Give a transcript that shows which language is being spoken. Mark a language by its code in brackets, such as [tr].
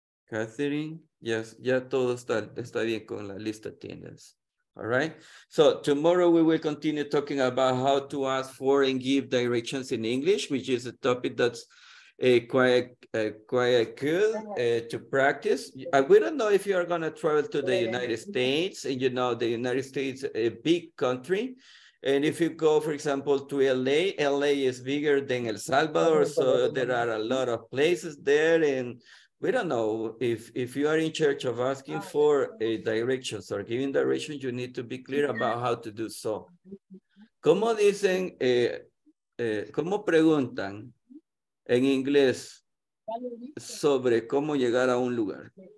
[es] Catherine, yes, ya todo está bien con la lista de tiendas. [en] All right. So tomorrow we will continue talking about how to ask for and give directions in English, which is a topic that's quite good to practice. We don't know if you are going to travel to the United States, and you know the United States is a big country. And if you go, for example, to LA is bigger than El Salvador, so there are a lot of places there. And we don't know if you are in charge of asking for directions or giving directions, you need to be clear about how to do so. [es] ¿Cómo dicen? ¿Cómo preguntan? En inglés, sobre cómo llegar a un lugar.